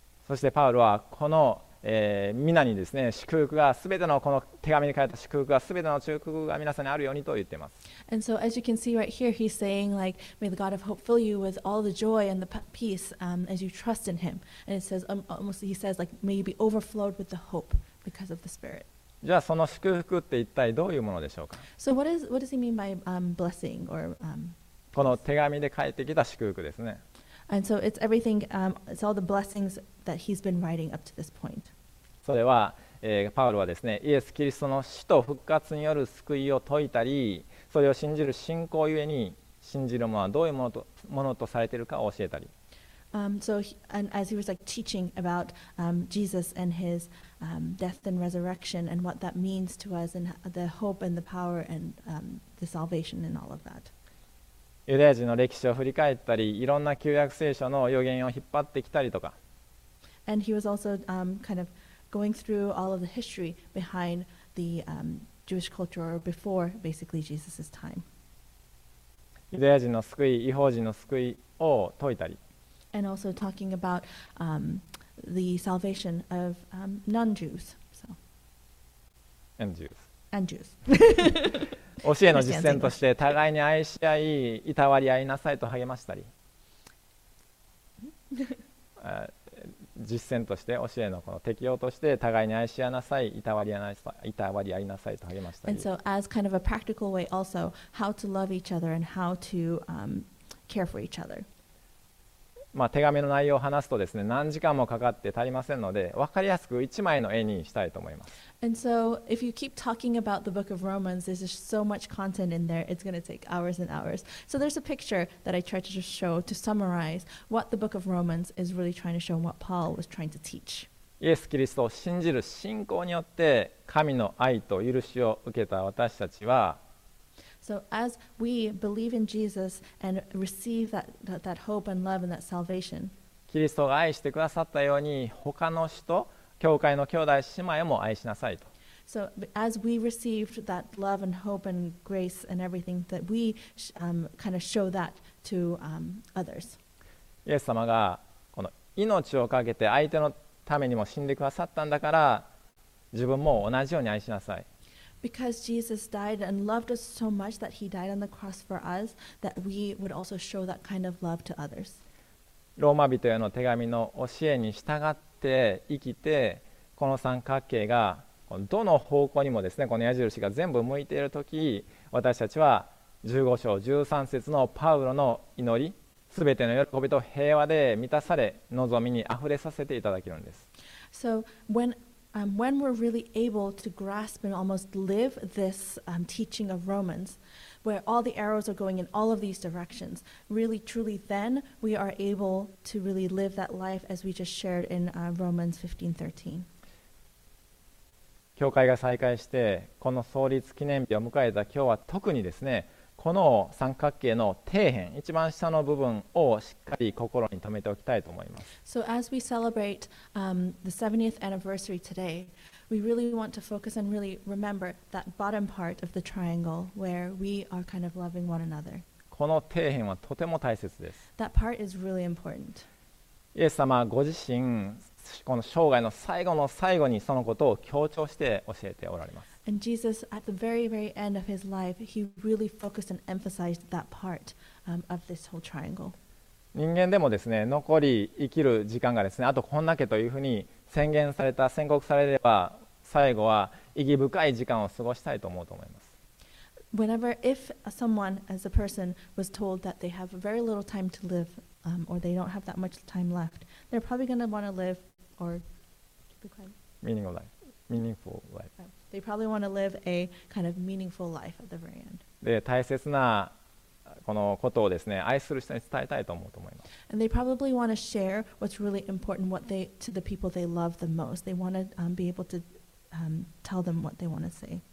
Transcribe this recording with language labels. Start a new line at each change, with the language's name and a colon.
Japanese: そしてパウロはこの、皆にですね、祝福がすべてのこの手紙に書いた祝福がすべての祝福が皆さんにあるようにと言っています。
English: And so as you can see right here, he's saying like, may the God of hope fill you with all the joy and the peace as you trust in him. And it says, almost he says like, may you be overflowed with the hope because of the Spirit.
Japanese: じゃあその祝福って一体どういうものでしょうか?
English: So what does he mean by blessing or
Japanese: この手紙で書いてきた祝福ですね。
English: And so it's everything, it's all the blessings that he's been writing up to this point.
Japanese: それは、パウロはですね、イエス・キリストの死と復活による救いを説いたり、それを信じる信仰ゆえに信じるものはどういうものとされているかを教えたり。
English: And as he was like teaching about Jesus and his death and resurrection and what that means to us and the hope and the power and the salvation and all of that.
Japanese: ユダヤ人の歴史を振り返ったり、いろんな旧約聖書の予言を引っ張ってきたりとか。
English: And he was also kind of going through all of the history behind the Jewish culture or before basically Jesus's time.
Japanese: ユダヤ人の救い、異邦人の救いを説いたり。
English: And also talking about the salvation of non-Jews. So. And Jews. And Jews.
Japanese: 教えの実践として互いに愛し合い、いたわり合いなさいと励ましたり。実践として教えのこの適用として互いに愛し合いなさい、いたわり合いなさいと励ましたり。
English: And so as kind of a practical way also, how to love each other and how to care for each other.
Japanese: まあ手紙の内容を話すとですね、何時間もかかって足りませんので、分かりやすく一枚の絵にしたいと思います。
English: And so if you keep talking about the book of Romans, there's just so much content in there, it's going to take hours and hours. So there's a picture that I tried to just show to summarize what the book of Romans is really trying to show and what Paul was trying to teach.
Japanese: イエス・キリストを信じる信仰によって神の愛と許しを受けた私たちは、
English: So as we believe in Jesus and receive that hope and love and that salvation,
Japanese: キリストが愛してくださったように他の人、教会の兄弟姉妹も愛しなさいと。
English: So as we received that love and hope and grace and everything, that we kind of show that to others.
Japanese: イエス様がこの命をかけて相手のためにも死んでくださったんだから、自分も同じように愛しなさい。
English: Because Jesus died and loved us so much that he died on the cross for us, that we would also show that kind of love to others.
Japanese: ローマ人への手紙の教えに従って生きて、この三角形がどの方向にもですね、この矢印が全部向いているとき、私たちは15章13節のパウロの祈り、すべての喜びと平和で満たされ、望みにあふれさせていただけるんです。
English: So, whenWhen we're really able to grasp and almost live this teaching of Romans, where all the arrows are going in all of these directions, really truly then we are able to really live that life as we just shared in Romans 15:13.
Japanese: 教会が再開してこの創立記念日を迎えた今日は特にですね、この三角形の底辺、一番下の部分をしっかり心に留めておきたいと思います。
English: So as we celebrate, the 70th anniversary today, we really want to focus and really remember that bottom part of the triangle where we are kind of loving one another.
Japanese: この底辺はとても大切です。
English: That part is really important.
Japanese: イエス様ご自身、この生涯の最後の最後にそのことを強調して教えておられます。
English: And Jesus, at the very, very end of his life, he really focused and emphasized that part, of this whole triangle.
Japanese: 人間でもですね、残り生きる時間がですね、あとこんだけというふうに宣言された、宣告されれば、最後は意義深い時間を過ごしたいと思うと思います。
English: Whenever, if someone, as a person, was told that they have very little time to live, or they don't have that much time left, they're probably going to want to live, or... Meaningful life. Meaningful life. They probably want to live a kind of meaningful life at the very end.
Japanese: で、大切なこのことをですね、愛する人に伝えたいと思うと思います。
English: And they probably want to share what's really important what they, to the people they love the most. They want to be able to tell them what they want to say.